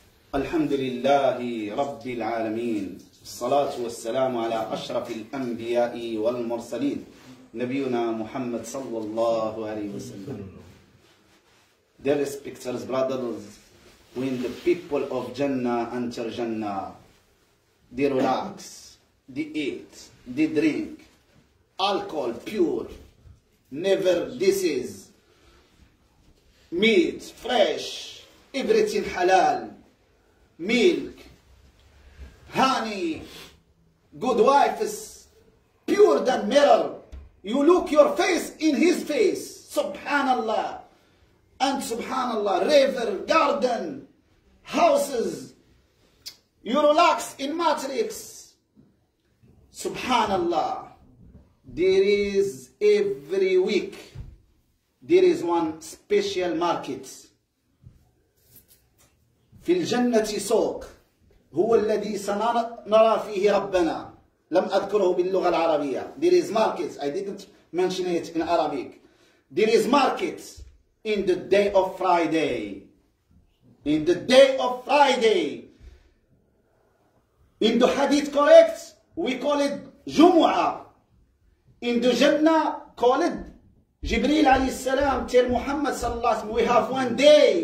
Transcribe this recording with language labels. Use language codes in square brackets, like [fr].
[ar] الحمد لله رب العالمين، الصلاة والسلام على أشرف الأنبياء والمرسلين نبينا محمد صلى الله عليه وسلم. [en] Dear respected brothers, when the people of Jannah enter Jannah, they relax, they eat, they drink alcohol pure, never disease, meat fresh, everything halal, milk, honey, good wives, pure than mirror. You look your face in his face. Subhanallah. And subhanallah, river, garden, houses, you relax in matrix. Subhanallah. There is every week, there is one special market. [ar] في الجنة سوق هو الذي سنرى فيه ربنا. لم أذكره باللغة العربية. [en] There is markets. I didn't mention it in Arabic. There is markets in the day of Friday. In the day of Friday. In the hadith correct, we call it Jumu'ah. In the Jannah, call it Jibreel alayhi salam tell Muhammad sallallahu alayhi wa sallam, we have one day.